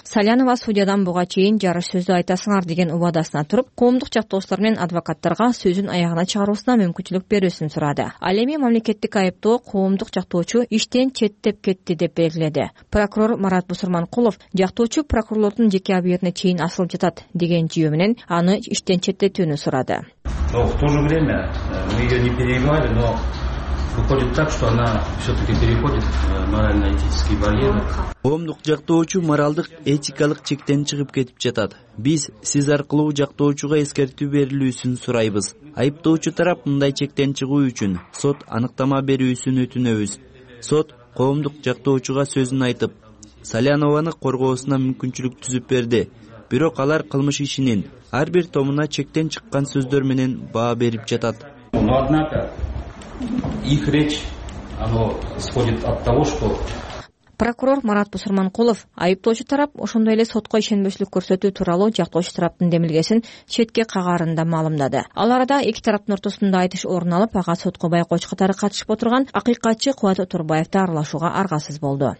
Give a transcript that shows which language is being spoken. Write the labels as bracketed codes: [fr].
[ky] Салянова судьядан буга чейин жарыш сөздү айтасыңар деген убадасына туруп, коомдук жактоочулар менен адвокаттарга сөзүн аягына чыгаруусуна мүмкүнчүлүк берүүсүн сурады. Ал эми мамлекеттик айыптоо коомдук жактоочу иштен четтеп кетти деп белгиледи. Прокурор Марат Бусурманкулов жактоочу прокурорлордун жеке абийирине чейин асылып жатат деген жүйө менен аны иштен четтетүүнү сурады. [ru] В то же время мы ее не перебивали, но выходит так, что она все-таки переходит морально-этические барьеры. [ky] Омдук жактоочу моралдык этикалык чектен чыгып кетип жатат. Биз сиз аркылуу жактоочуга эскертүү берилүүсүн сурайбыз. Айыптоочу тарап мындай чектен чыгуу үчүн сот аныктама берүүсүн өтүнөбүз. Сот коомдук жактоочуга сөзүн айтып, Салянованы коргоосуна мүмкүнчүлүк түзүп берди. Бирок алар кылмыш ишинин ар бир томуна чектен чыккан сөздөр менен баа берип жатат. [ru] Но однако их речь оно исходит от того, что [ky] прокурор Марат Бусурманкулов айыптоочу тарап ошондой эле сотко ишенбөөчүлүк көрсөтүү тууралуу жактоочу тараптын демилгесин четке кагарында маалымдады. Ал арада эки тараптын ортосунда айтыш орун алып, ага сотко байкоочу катары катышып отурган акыйкатчы Кубат Отурбаевди аралашууга аргасыз болду.